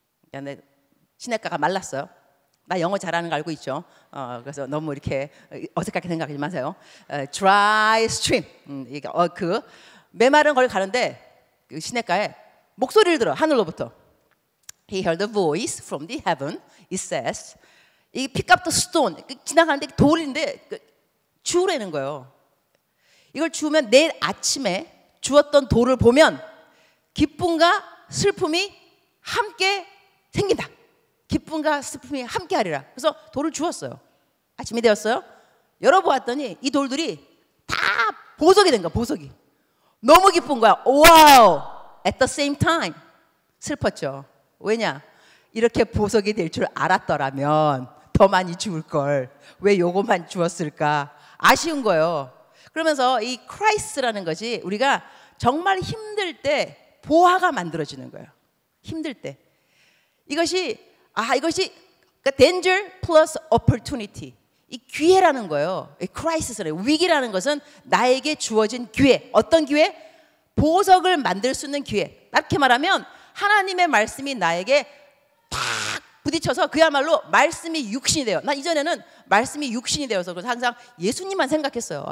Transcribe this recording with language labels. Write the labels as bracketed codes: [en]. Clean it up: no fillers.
[ko] 근데 시냇가가 말랐어요. 나 영어 잘하는 거 알고 있죠. 그래서 너무 이렇게 어색하게 생각하지 마세요. [en] dry stream. [ko] 그 메마른 걸 가는데 그 시냇가에 목소리를 들어 하늘로부터. [en] He heard a voice from the heaven. It says, 이 pick up the stone. [ko] 그 지나가는데 돌인데 그 주우라는 거예요. 이걸 주우면 내일 아침에 주었던 돌을 보면 기쁨과 슬픔이 함께 생긴다. 기쁨과 슬픔이 함께 하리라. 그래서 돌을 주었어요. 아침이 되었어요. 열어보았더니 이 돌들이 다 보석이 된 거야. 보석이. 너무 기쁜 거야. 와우. [en] At the same time. [ko] 슬펐죠. 왜냐? 이렇게 보석이 될 줄 알았더라면 더 많이 주울 걸. 왜 요것만 주었을까? 아쉬운 거예요. 그러면서 이 크라이스라는 것이 우리가 정말 힘들 때 보화가 만들어지는 거예요. 힘들 때. 이것이 그러니까 [en] danger plus opportunity. [ko] 이 기회라는 거예요. 이 크라이스라는 위기라는 것은 나에게 주어진 기회. 어떤 기회? 보석을 만들 수 있는 기회. 이렇게 말하면 하나님의 말씀이 나에게 팍 부딪혀서 그야말로 말씀이 육신이 돼요. 나 이전에는 말씀이 육신이 되어서 그래서 항상 예수님만 생각했어요.